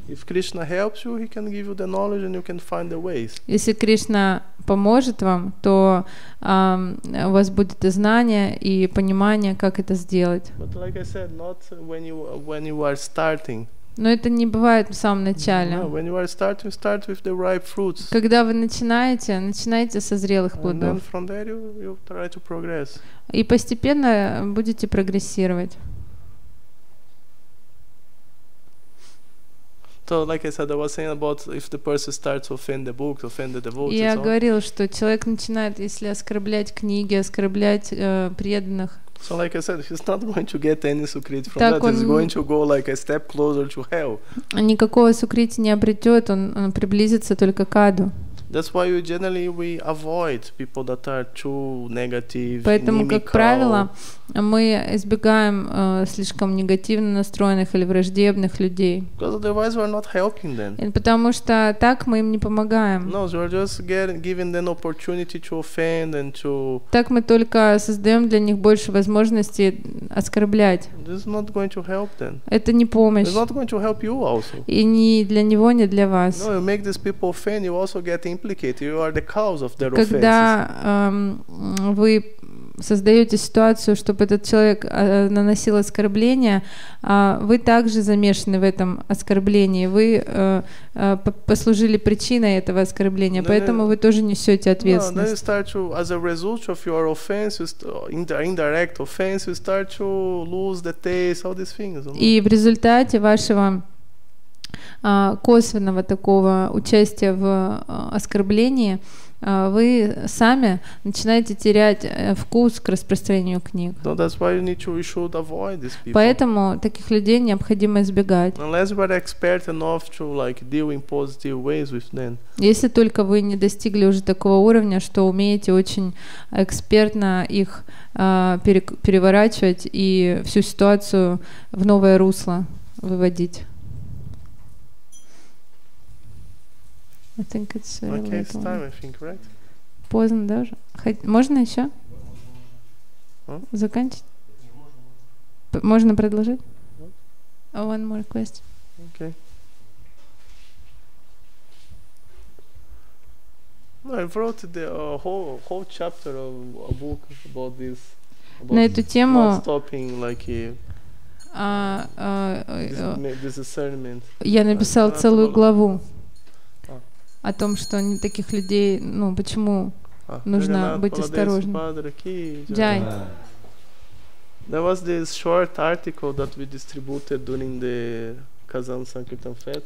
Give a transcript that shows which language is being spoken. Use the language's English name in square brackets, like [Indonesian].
[English] If Krishna helps you, he can give you the knowledge and you can find the ways. [Russian] Если Кришна поможет вам, то у вас будет и знание, и понимание, как это сделать. [English] But like I said, not when you are starting. [Russian] Но это не бывает в самом начале. [English] No, when you are starting, start with the ripe fruits. [Russian] Когда вы начинаете, начинайте со зрелых плодов. [English] And then from there you, you try to progress. [Russian] И постепенно будете прогрессировать. [English] So, like I said, I was saying about if the person starts to offend the book, offend the devotees. [Russian] Я говорил, что человек начинает, если оскорблять книги, оскорблять преданных. [English] So, like I said, he's not going to get any sukriti from that. He's going to go like a step closer to hell. [Russian] Никакого сукрити не обретет, он приблизится только к аду. [English] That's why we generally we avoid people that are too negative. [Russian] Поэтому, как правило, мы избегаем слишком негативно настроенных или враждебных людей. [English] Because otherwise we're not helping them. [Russian] И потому что так мы им не помогаем. [English] No, so we're just giving them opportunity to offend and to. [Russian] Так мы только создаем для них больше возможностей оскорблять. [English] This is not going to help them. [Russian] Это не помощь. [English] It's not going to help you also. [Russian] И ни для него, ни для вас. [English] No, you make these people offend, you also get implicated. You are the cause of their offenses. [Russian] Когда вы создаете ситуацию, чтобы этот человек наносил оскорбление, вы также замешаны в этом оскорблении. Вы послужили причиной этого оскорбления, [English] no, [Russian] поэтому вы тоже несете ответственность. [English] No, then you start to, as a result of your offense, indirect offense, you start to lose the taste, all these things. [Russian] И в результате вашего косвенного такого участия в оскорблении вы сами начинаете терять вкус к распространению книг. [English] So that's why you need to, you should avoid these people. [Russian] Поэтому таких людей необходимо избегать. [English] Unless we're expert enough to like deal in positive ways with them. [Russian] Если только вы не достигли уже такого уровня, что умеете очень экспертно их переворачивать и всю ситуацию в новое русло выводить. [English] I think it's okay, it's time, I think, right? [Russian] Поздно, да, уже? Можно еще? Huh? Заканчить? Можно продолжить? [English] What? One more question. Okay. No, I wrote the whole chapter of a book about this. About [Russian] на эту тему. [English] Not stopping, like, this discernment. [Russian] Я написал целую главу о том, что не таких людей, ну, почему нужно быть осторожным. Джай. [English] There was this short article that we distributed during the Kazan Sankirtan Festival.